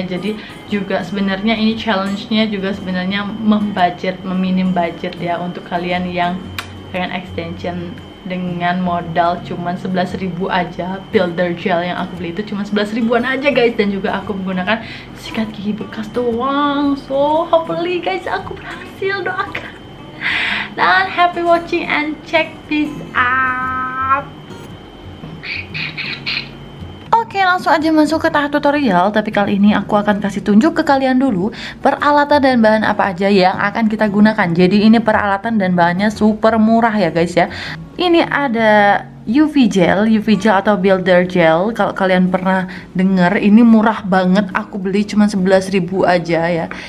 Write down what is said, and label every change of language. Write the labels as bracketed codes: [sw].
[id] Jadi juga sebenarnya ini challenge-nya juga sebenarnya membudget, meminim budget ya, untuk kalian yang pengen extension dengan modal cuman 11.000 aja. Builder gel yang aku beli itu cuma 11.000-an aja, guys, dan juga aku menggunakan sikat gigi bekas doang. [en] So hopefully guys [id] aku berhasil, doakan. Dan [en] happy watching and check this out. [id] Oke, langsung aja masuk ke tahap tutorial. Tapi kali ini aku akan kasih tunjuk ke kalian dulu peralatan dan bahan apa aja yang akan kita gunakan. Jadi ini peralatan dan bahannya super murah ya, guys ya. Ini ada UV gel atau builder gel. Kalau kalian pernah dengar, ini murah banget. Aku beli cuma 11.000 aja ya.